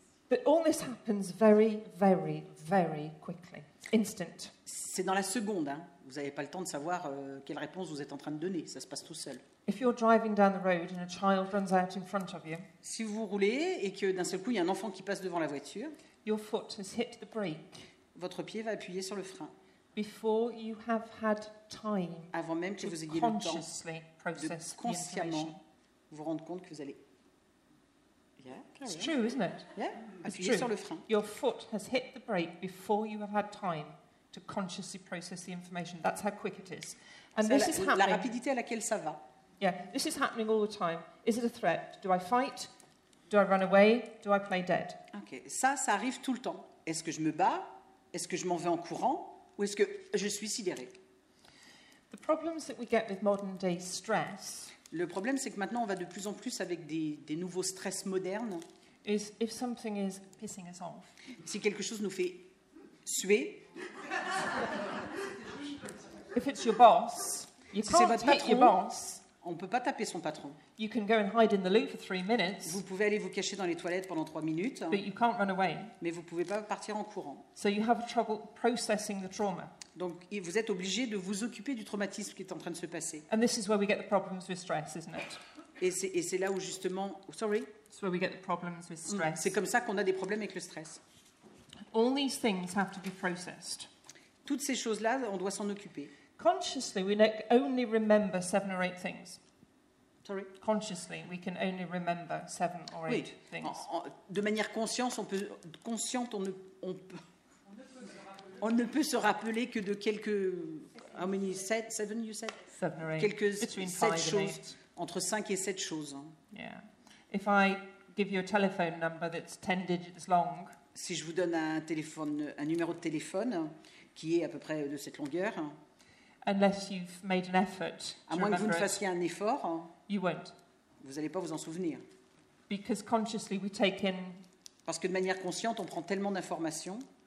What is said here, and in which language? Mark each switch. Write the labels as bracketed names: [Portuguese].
[English] But all this happens very, very, very quickly. Instant. [French] C'est dans la seconde, hein. Vous n'avez pas le temps de savoir quelle réponse vous êtes en train de donner. Ça se passe tout seul. [English] If you're driving down the road and a child runs out in front of you. [French] Si vous roulez et que d'un seul coup il y a un enfant qui passe devant la voiture. [English] Your foot has hit the brake. [French] Votre pied va appuyer sur le frein. [English] Before you have had time. [French] Avant même que vous ayez le temps de consciemment vous rendre compte que vous allez. [English] Yeah, it's true, isn't it? [French] Yeah. Appuyer sur le frein. [English] Your foot has hit the brake before you have had time to consciously process the information. That's how quick it is. And this is happening. [French] La rapidité à laquelle ça va. [English] Yeah, this is happening all the time. Is it a threat? Do I fight? Do I run away? Do I play dead? [French] Okay, ça arrive tout le temps. Est-ce que je me bats? Est-ce que je m'en vais en courant? Ou est-ce que je suis sidéré? [English] The problems that we get with modern day stress. [French] Le problème, c'est que maintenant, on va de plus en plus avec des nouveaux stress modernes. [English] Is if something is pissing us off. [French] Si quelque chose nous fait suer. [English] If it's your boss, you [French] si [English] can't [French] c'est votre [English] hit [French] patron, [English] your boss. [French] On ne peut pas taper son patron. [English] You can go and hide in the loo for 3 minutes. [French] Vous pouvez aller vous cacher dans les toilettes pendant 3 minutes. [English] But you can't run away. [French] Mais vous ne pouvez pas partir en courant. [English] So you have trouble processing the trauma. [French] Donc, vous êtes obligé de vous occuper du traumatisme qui est en train de se passer. [English] And this is where we get the problems with stress, isn't it? [French] Et c'est là où justement... [English] Sorry? It's where we get the problems with stress. [French] C'est comme ça qu'on a des problèmes avec le stress. [English] All these things have to be processed. [French] Toutes ces choses-là, on doit s'en occuper. [English] Consciously, we only remember 7 or 8 things. Sorry. Consciously, we can only remember 7 or 8 [French] oui. [English] things. [French] De manière consciente, on ne peut se rappeler que de quelques. [English] How many? 7 you said? 7 or 8. [French] Quelques. [English] Between [French] 7 choses. Entre 5 et 7 choses. [English] Yeah. If I give you a telephone number that's 10 digits long. [French] Si je vous donne un numéro de téléphone qui est à peu près de cette longueur. [English] Unless you've made an effort. [French] À moins que vous ne fassiez un effort. [English] You won't. [French] Vous n'allez pas vous en souvenir. [English] Because consciously we take in. [French] Parce que de manière consciente, on prend tellement d'informations.